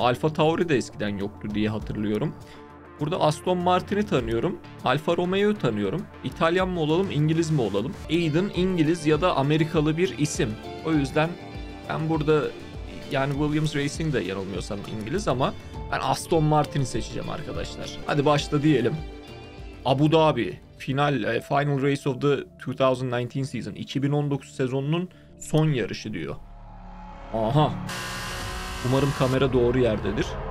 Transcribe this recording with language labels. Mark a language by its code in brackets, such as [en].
[tr] Alfa Tauri de eskiden yoktu diye hatırlıyorum. Burada Aston Martin'i tanıyorum. Alfa Romeo'yu tanıyorum. İtalyan mı olalım, İngiliz mi olalım? Aiden İngiliz ya da Amerikalı bir isim. O yüzden ben burada yani Williams Racing de yanılmıyorsam İngiliz ama ben Aston Martin'i seçeceğim arkadaşlar. Hadi başla diyelim. Abu Dhabi. [en] Final Race of the 2019 Season. [tr] 2019 sezonunun son yarışı diyor. Aha. Umarım kamera doğru yerdedir.